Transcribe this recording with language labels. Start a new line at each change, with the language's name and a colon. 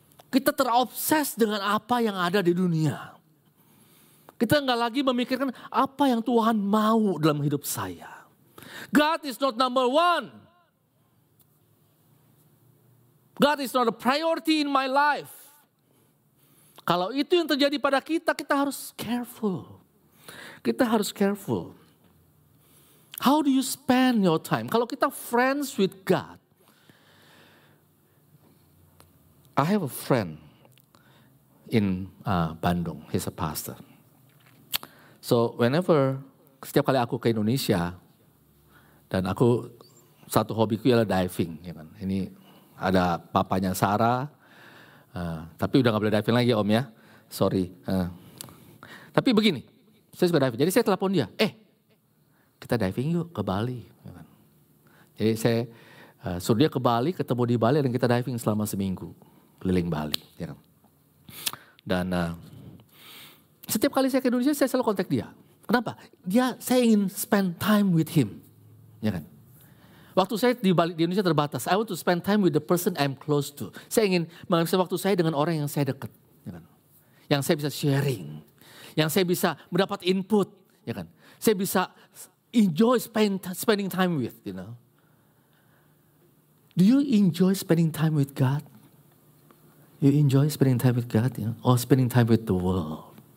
Indonesian: Kita terobses dengan apa yang ada di dunia. Kita gak lagi memikirkan apa yang Tuhan mau dalam hidup saya.
English: God is not number one. God is not a priority in my life.
Indonesian: Kalau itu yang terjadi pada kita, kita harus careful. Kita harus careful.
English: How do you spend your time?
Indonesian: Kalau kita
English: friends with God. I have a friend in Bandung. He's a pastor. So whenever,
Indonesian: setiap kali aku ke Indonesia, dan aku, satu hobiku adalah diving. Ya kan? Ini ada papanya Sarah, tapi udah gak boleh diving lagi om ya.
English: Sorry.
Indonesian: Tapi begini, saya suka diving. Jadi saya telepon dia, kita diving yuk ke Bali. Jadi saya suruh dia ke Bali, ketemu di Bali dan kita diving selama seminggu. Keliling Bali. Ya kan? Dan setiap kali saya ke Indonesia, saya selalu kontak dia. Kenapa? Dia, saya ingin
English: spend time with him.
Indonesian: Ya kan? Waktu saya di Bali, di Indonesia terbatas.
English: I want to spend time with the person I'm close to.
Indonesian: Saya ingin menghabiskan waktu saya dengan orang yang saya dekat. Ya kan? Yang saya bisa sharing. Yang saya bisa mendapat input, ya kan? Saya bisa
English: enjoy spending time with, you know? Do you enjoy spending time with God? You enjoy spending time with God, you know, or spending time with the world?